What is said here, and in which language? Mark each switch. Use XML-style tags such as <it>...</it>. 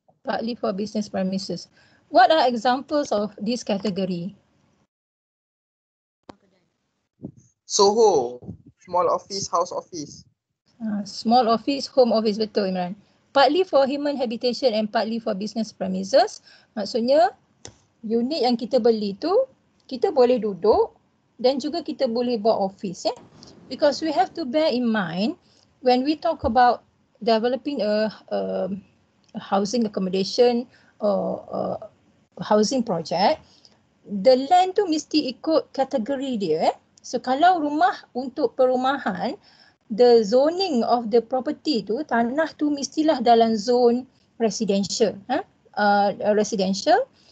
<en>Partly for business premises. What are examples of this category? Soho, small office, house office. Small office, home office, betul Imran. Partly for human habitation and partly for business premises.</en> <ms>Maksudnya, unit yang kita beli tu, kita boleh duduk dan juga kita boleh buat office. Eh?</ms> <en>Because we have to bear in mind, when we talk about developing a housing accommodation or a housing project, the land</en> <ms>tu mesti ikut kategori dia. Eh? So kalau rumah untuk perumahan,</ms> <en>the zoning of the property</en> <ms>tu, tanah tu mestilah dalam zone residential. Eh? Residential.</ms>